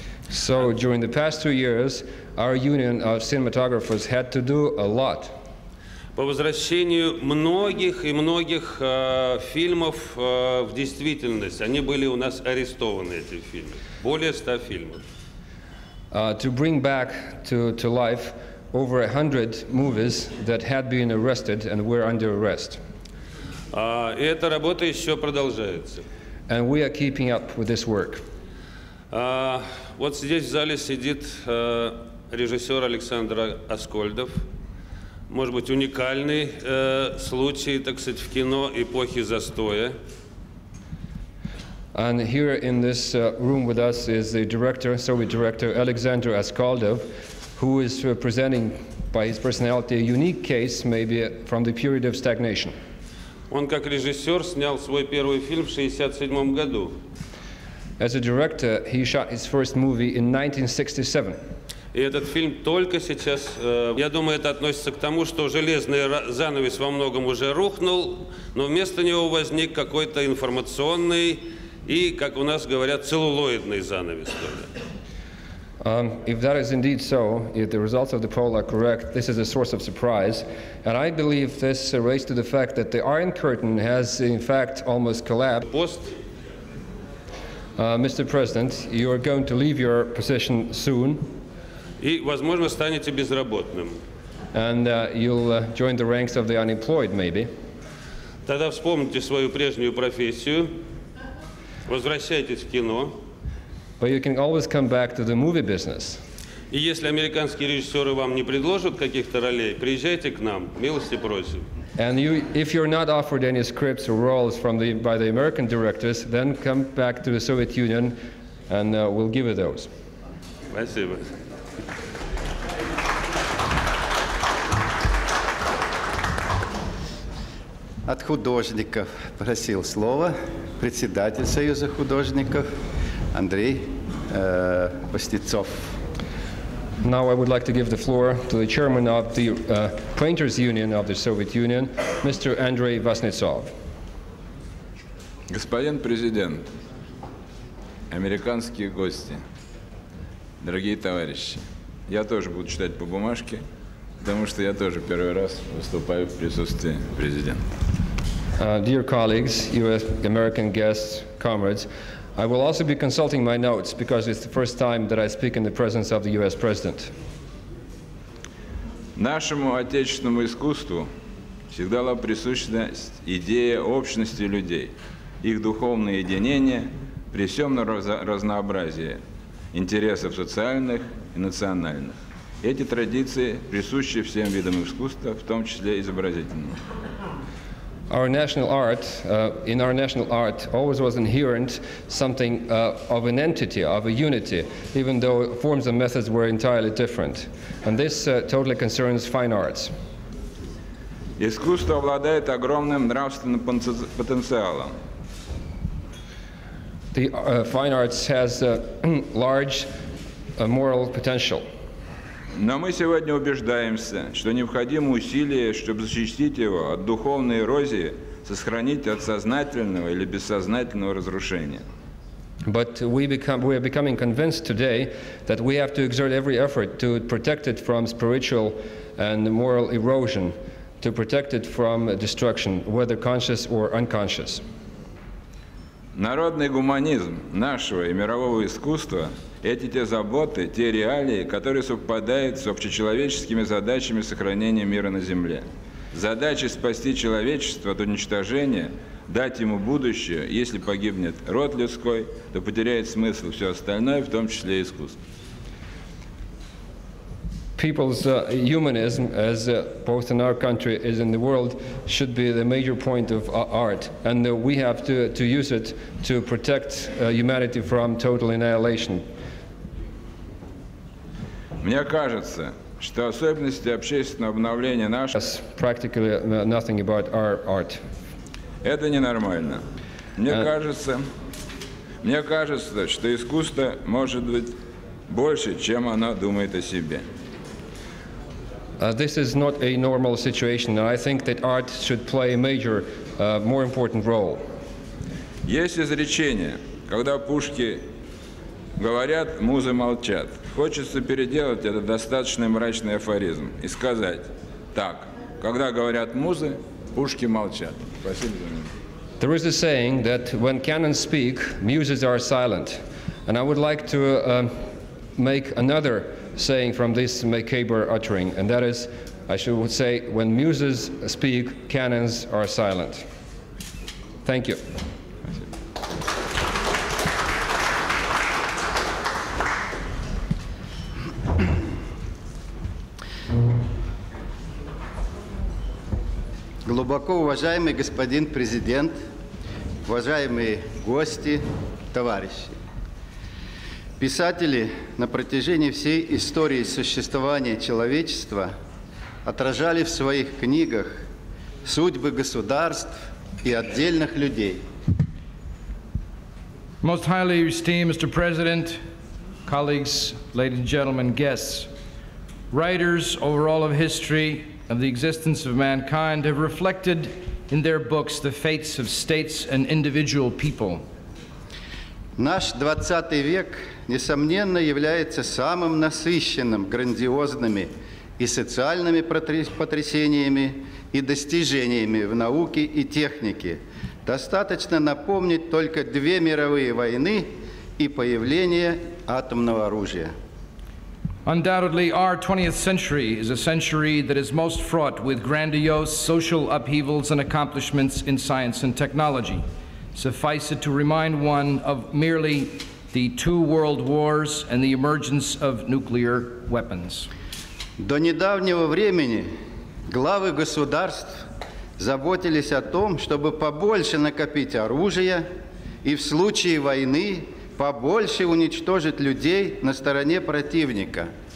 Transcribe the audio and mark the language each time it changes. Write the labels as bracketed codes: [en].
[en] So during the past two years, our union of cinematographers had to do a lot. [ru] По возвращению многих и многих фильмов в действительность. Они были у нас арестованы, эти фильмы. Более 100 фильмов. [en] To bring back to life over 100 movies that had been arrested and were under arrest. [ru] И эта работа еще продолжается. [en] And we are keeping up with this work. [ru] Вот здесь в зале сидит режиссер Александр Аскольдов. Может быть, уникальный случай, так сказать, в кино эпохи застоя. [en] And here in this room with us is the director, Soviet director Александр Аскольдов, who is presenting by his personality a unique case, maybe from the period of stagnation. [ru] Он как режиссер снял свой первый фильм в 67 году. [en] As a director, he shot his first movie in 1967. [ru] И этот фильм только сейчас, я думаю, это относится к тому, что железный занавес во многом уже рухнул, но вместо него возник какой-то информационный и, как у нас говорят, целлулоидный занавес. [en] If that is indeed so, if the results of the poll are correct, this is a source of surprise. And I believe this relates to the fact that the Iron Curtain has, in fact, almost collapsed. Mr. President, you are going to leave your position soon. [ru] И, возможно, станете безработным. [en] And you'll join the ranks of the unemployed, maybe. [ru] Тогда вспомните свою прежнюю профессию. Возвращайтесь в кино. [en] But you can always come back to the movie business. [ru] И если американские режиссеры вам не предложат каких-то ролей, приезжайте к нам, милости просим. [en] And you, if you're not offered any scripts or roles by the American directors, then come back to the Soviet Union, and we'll give you those. [ru] Спасибо. От художников просил слово председатель Союза художников Андрей Васнецов. [en] Now I would like to give the floor to the chairman of the Painters Union of the Soviet Union, Mr. Andrei Vasnetsov. [ru] Господин президент, американские гости, дорогие товарищи, я тоже буду читать по бумажке, потому что я тоже первый раз выступаю в присутствии президента. [en] Dear colleagues, US American guests, comrades, I will also be consulting my notes because it's the first time that I speak in the presence of the US president. [ru] Нашему отечественному искусству всегда была присуща идея общности людей, их духовное единение при всем разнообразии интересов социальных и национальных. Эти традиции присущи всем видам искусства, в том числе изобразительным. [en] Our national art, in our national art, always was inherent something of an entity, of a unity, even though forms and methods were entirely different. And this totally concerns fine arts. [ru] Искусство обладает огромным нравственным потенциалом. [en] The fine arts has a large moral potential. [ru] Но мы сегодня убеждаемся, что необходимы усилия, чтобы защитить его от духовной эрозии, сохранить от сознательного или бессознательного разрушения. [en] But we are becoming convinced today that we have to exert every effort to protect it from spiritual and moral erosion, to protect it from destruction, whether conscious or unconscious. [ru] Народный гуманизм нашего и мирового искусства – это те заботы, те реалии, которые совпадают с общечеловеческими задачами сохранения мира на Земле. Задача спасти человечество от уничтожения, дать ему будущее, если погибнет род людской, то потеряет смысл все остальное, в том числе и искусство. [en] People's humanism, as both in our country as in the world, should be the major point of art, and we have to use it to protect humanity from total annihilation. [ru] Мне кажется, что особенности общественного обновления нашего. [en] Practically nothing about our art. [ru] Это ненормально. Мне кажется, что искусство может быть больше, чем оно думает о себе. [en] This is not a normal situation, and I think that art should play a major, more important role. [ru] Есть изречение, когда пушки говорят, музы молчат. Хочется переделать этот достаточно мрачный афоризм и сказать так, когда говорят музы, пушки молчат. Спасибо. [en] There is a saying that when cannons speak, muses are silent. And I would like to make another saying from this macabre uttering, and that is, I should say, when muses speak, cannons are silent. Thank you. [ru] Глубоко уважаемый господин президент, уважаемые гости, товарищи. Писатели на протяжении всей истории существования человечества отражали в своих книгах судьбы государств и отдельных людей. [en] Most highly esteemed Mr. President, colleagues, ladies and gentlemen, guests, writers over all of history of the existence of mankind have reflected in their books the fates of states and individual people. [ru] Наш 20 век, несомненно, является самым насыщенным, грандиозными и социальными потрясениями и достижениями в науке и технике. Достаточно напомнить только две мировые войны и появление атомного оружия. [en] Undoubtedly, our 20th century is a century that is most fraught with grandiose social upheavals and accomplishments in science and technology. Suffice it to remind one of merely the two world wars and the emergence of nuclear weapons. [ru] До недавнего времени главы государств заботились о том, чтобы побольше накопить оружия и в случае войны побольше уничтожить людей на стороне противника.